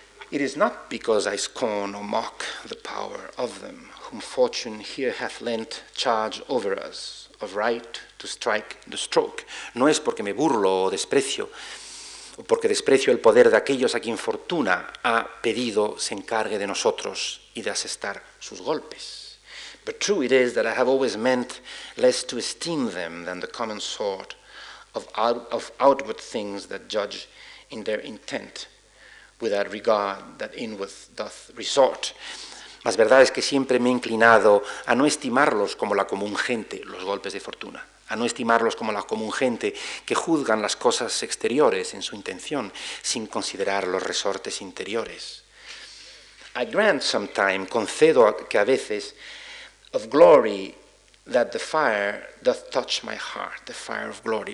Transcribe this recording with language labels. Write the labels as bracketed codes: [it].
[en] It is not because I scorn or mock the power of them, whom fortune here hath lent charge over us, of right to strike the stroke. [es] No es porque me burlo o desprecio, porque desprecio el poder de aquellos a quien fortuna ha pedido se encargue de nosotros y de asestar sus golpes. [en] But true it is that I have always meant less to esteem them than the common sort of outward things that judge in their intent with that regard that inward doth resort. [es] Mas verdad es que siempre me he inclinado a no estimarlos como la común gente, los golpes de fortuna. A no estimarlos como la común gente que juzgan las cosas exteriores en su intención sin considerar los resortes interiores. [en] I grant sometime, [es] concedo que a veces, [en] of glory that the fire doth touch my heart, the fire of glory.